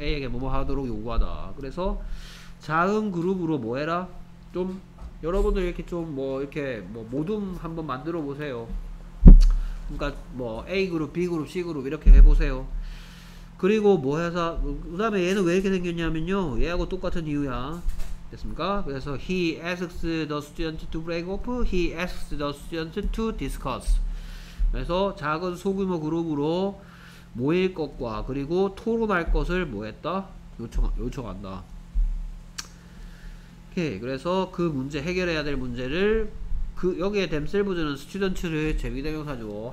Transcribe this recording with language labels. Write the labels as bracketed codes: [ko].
[ko] A에게 뭐뭐 하도록 요구하다. 그래서 작은 그룹으로 뭐 해라? 좀 여러분들 이렇게 좀 뭐 이렇게 뭐 모둠 한번 만들어 보세요. 그러니까 뭐 A 그룹, B 그룹, C 그룹 이렇게 해 보세요. 그리고 뭐 해서, 그 다음에 얘는 왜 이렇게 생겼냐면요, 얘하고 똑같은 이유야. 됐습니까? 그래서 [en] he asks the student to break off, he asks the student to discuss. [ko] 그래서 작은 소규모 그룹으로 모일 것과 그리고 토론할 것을 뭐 했다? 요청한다. 오케이. 그래서 그 문제, 해결해야 될 문제를, 그 여기에 themselves는 students를 제비대명사죠.